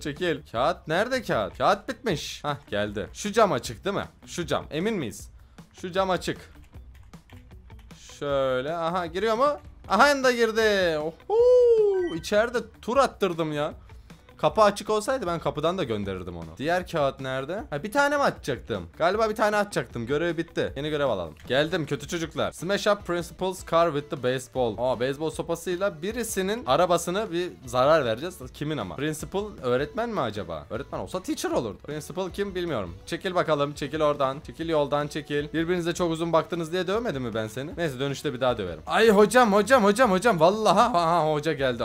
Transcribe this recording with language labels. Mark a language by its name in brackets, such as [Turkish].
[Turkish] Çekil. Kağıt. Nerede kağıt? Kağıt bitmiş. Hah geldi. Şu cam açık değil mi? Şu cam. Emin miyiz? Şu cam açık. Şöyle. Aha giriyor mu? Aha da girdi. Oho. İçeride tur attırdım ya. Kapı açık olsaydı ben kapıdan da gönderirdim onu. Diğer kağıt nerede? Ha bir tane mi atacaktım? Galiba bir tane atacaktım. Görev bitti. Yeni görev alalım. Geldim kötü çocuklar. [English] Smash up principal's car with the baseball. [Turkish] Aa baseball sopasıyla birisinin arabasını bir zarar vereceğiz. Kimin ama? Principal öğretmen mi acaba? Öğretmen olsa teacher olurdu. Principal kim bilmiyorum. Çekil bakalım. Çekil oradan. Çekil yoldan çekil. Birbirinize çok uzun baktınız diye dövmedim mi ben seni? Neyse dönüşte bir daha döverim. Ay hocam. Vallahi ha hoca geldi.